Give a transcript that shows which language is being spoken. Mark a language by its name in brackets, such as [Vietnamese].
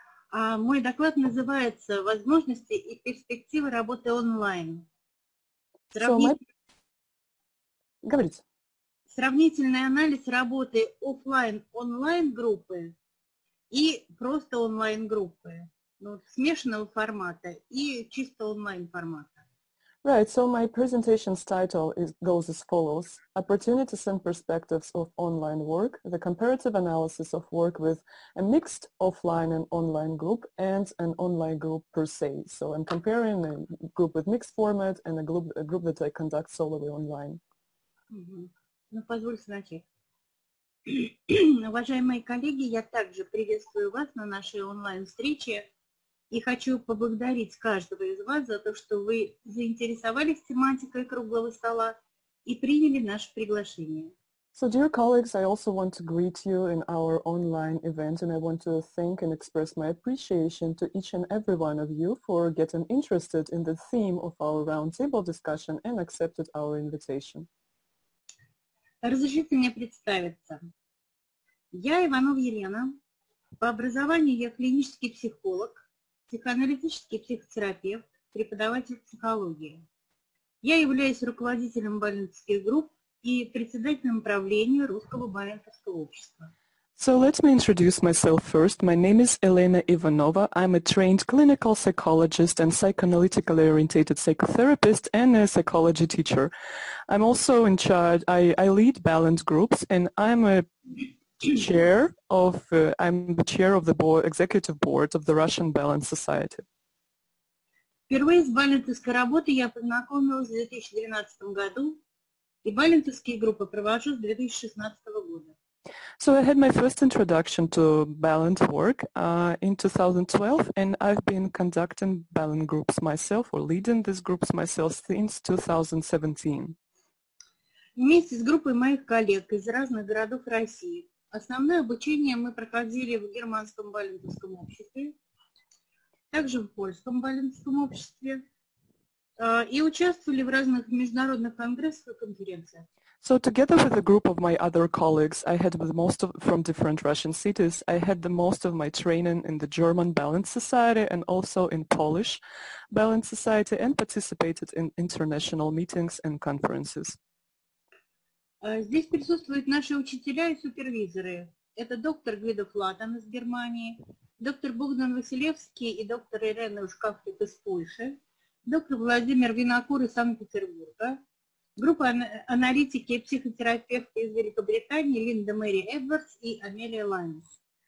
[Russian] Мой доклад называется «Возможности и перспективы работы онлайн». Говорите. Сравнительный анализ работы офлайн-онлайн группы и просто онлайн группы, ну, смешанного формата и чисто онлайн формата. [English] Right, so my presentation's title goes as follows: Opportunities and Perspectives of Online Work, the Comparative Analysis of Work with a Mixed Offline and Online Group and an Online Group Per Se. So I'm comparing a group with mixed format and a group that I conduct solely online. [Russian] Mm-hmm. Ну, позвольте начать. Уважаемые коллеги, я также приветствую вас на нашей онлайн-встрече. И хочу поблагодарить каждого из вас за то, что вы заинтересовались тематикой круглого стола и приняли наше приглашение. [English] So, dear colleagues, I also want to greet you in our online event, and I want to thank and express my appreciation to each and every one of you for getting interested in the theme of our roundtable discussion and accepted our invitation. [Russian] Разрешите мне представиться. Я Иванов Елена. По образованию я клинический психолог, психоаналитический психотерапевт, преподаватель психологии. Я являюсь руководителем Баленковских групп и председателем правления Русского Баленковского общества. [English] So let me introduce myself first. My name is Elena Ivanova. I'm a trained clinical psychologist and psychoanalytically orientated psychotherapist and a psychology teacher. I'm also in charge, I lead Balance Groups, and I'm a chair of the board, executive board of the Russian Balance Society. [Russian] Впервые с балентовской работой я познакомилась в 2012 году, и балентовские группы провожу с 2016 года. [English] So I had my first introduction to balance work in 2012, and I've been conducting balance groups myself, or leading these groups myself, since 2017. [Russian] Вместе с группой моих коллег из разных городов России. Основное обучение мы проходили в Германском балентовском обществе, также в Польском балентовском обществе, и участвовали в разных международных конгрессах и конференциях. [English] So together with a group of my other colleagues, I had the most of, from different Russian cities, I had the most of my training in the German Balance Society and also in Polish Balance Society and participated in international meetings and conferences. [Russian] Здесь присутствуют наши учителя и супервизоры. Это доктор Гвидо Флатан из Германии, доктор Богдан Василевский и доктор Ирена Ушкафлик из Польши, доктор Владимир Винокур из Санкт-Петербурга, группа аналитики и психотерапевты из Великобритании Линда Мэри Эдвардс и Амелия Лайнс.